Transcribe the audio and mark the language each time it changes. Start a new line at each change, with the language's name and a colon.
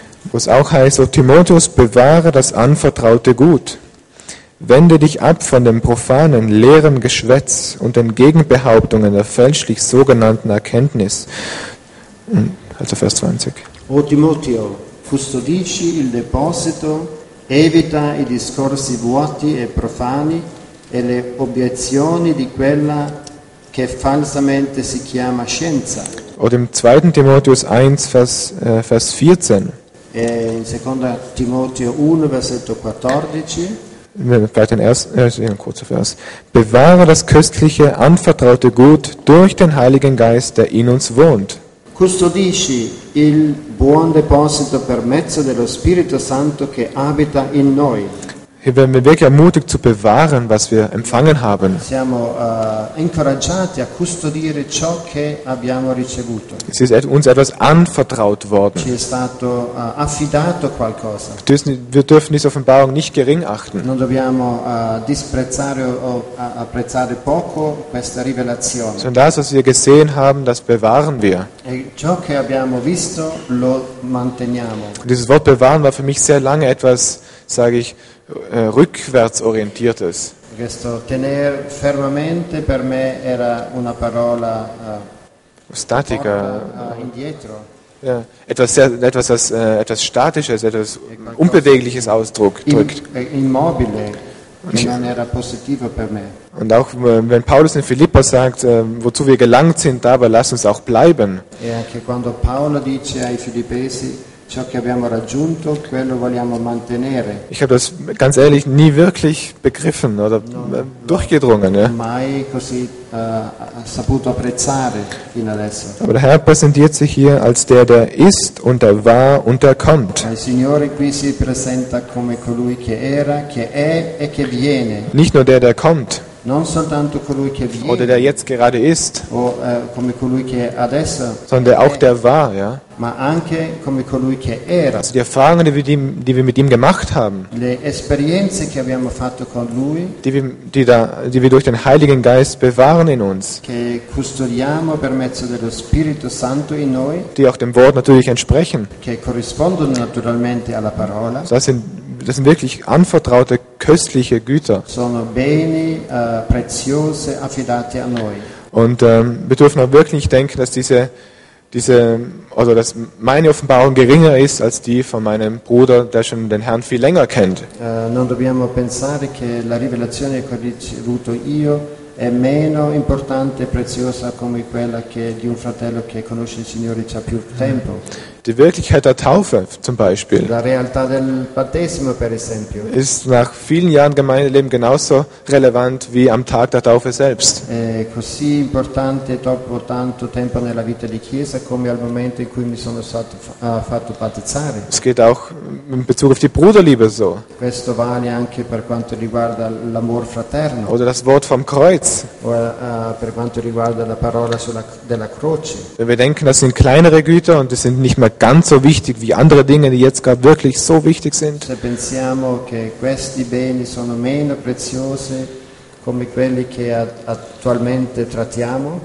German: Wo es auch heißt, O Timotheus, bewahre das anvertraute Gut. Wende dich ab von dem profanen, leeren Geschwätz und den Gegenbehauptungen der fälschlich sogenannten Erkenntnis. Also Vers 20.
Italian: O Timotheo, custodisci il deposito, evita i discorsi vuoti e profani e le obiezioni di quella che falsamente si chiama scienza.
German: Oder im 2. Timotheus 1, Vers 14.
Italian: E in 2. Timotheo 1, versetto 14.
German: Vielleicht ein kurzer Vers. Bewahre das köstliche, anvertraute Gut durch den Heiligen Geist, der in uns wohnt.
Italian: Custodisci il buon deposito per mezzo dello Spirito Santo che abita in noi.
German: Hier werden wir wirklich ermutigt zu bewahren, was wir empfangen haben.
Italian: Siamo incoraggiati a custodire ciò che abbiamo ricevuto.
German: Es ist uns etwas anvertraut worden.
Italian: Ci è stato affidato qualcosa.
German: Wir dürfen diese Offenbarung nicht gering achten.
Italian: Non dobbiamo disprezzare o apprezzare poco questa rivelazione.
German: Sondern das, was wir gesehen haben, das bewahren wir.
Italian: E ciò che abbiamo visto lo manteniamo.
German: Dieses Wort bewahren war für mich sehr lange etwas, sage ich, rückwärtsorientiertes.
Italian: Questo tener fermamente per me era una parola statica, indietro.
German: Ja, etwas statisches, etwas unbewegliches ausdrückt.
Italian: Immobile, non era positivo per me.
German: Und auch wenn Paulus in Philippos sagt, wozu wir gelangt sind, dabei lasst uns auch bleiben.
Italian: E anche quando Paolo dice ai Filippesi, ciò che abbiamo raggiunto, quello vogliamo mantenere.
German: Ich habe das ganz ehrlich nie wirklich begriffen oder durchgedrungen.
Italian: Mai così saputo apprezzare fino adesso.
German: Aber der Herr präsentiert sich hier als der ist und der war und der kommt.
Italian: Il Signore qui si presenta come colui che era, che è e che viene.
German: Nicht nur der kommt.
Italian: Non soltanto colui che viene.
German: Oder der jetzt gerade ist.
Italian: O come colui che adesso.
German: Sondern auch der war, ja.
Italian: Ma anche come colui che era.
German: Also die Erfahrungen, die wir mit ihm gemacht haben.
Italian: Le esperienze che abbiamo fatto con lui.
German: Die wir durch den Heiligen Geist bewahren in uns.
Italian: Che custodiamo per mezzo dello Spirito Santo in noi.
German: Die auch dem Wort natürlich entsprechen.
Italian: Che corrispondono naturalmente alla parola.
German: Das sind wirklich anvertraute, köstliche Güter.
Italian: Sono beni preziose affidati a noi.
German: Und wir dürfen auch wirklich denken, dass diese dass meine Offenbarung geringer ist als die von meinem Bruder, der schon den Herrn viel länger kennt.
Italian: Non dobbiamo pensare che la rivelazione che ho ricevuto io è meno importante e preziosa come quella che di un fratello che conosce il Signore già più tempo.
German: Die Wirklichkeit der Taufe zum Beispiel
Italian: la realtà del battesimo, per esempio,
German: ist nach vielen Jahren Gemeindeleben genauso relevant wie am Tag der Taufe selbst.
Italian: È così importante dopo tanto tempo nella vita di chiesa come al momento in cui mi sono stato fatto battezzare.
German: Es geht auch in Bezug auf die Bruderliebe so.
Italian: Questo vale anche per quanto riguarda l'amor fraterno.
German: Oder das Wort vom Kreuz. Oder
Italian: per quanto riguarda la parola della croce.
German: Wenn wir denken, das sind kleinere Güter und es sind nicht mal ganz so wichtig wie andere Dinge, die jetzt gerade wirklich so wichtig sind.
Italian: Se pensiamo che questi beni sono meno preziosi come quelli che attualmente trattiamo,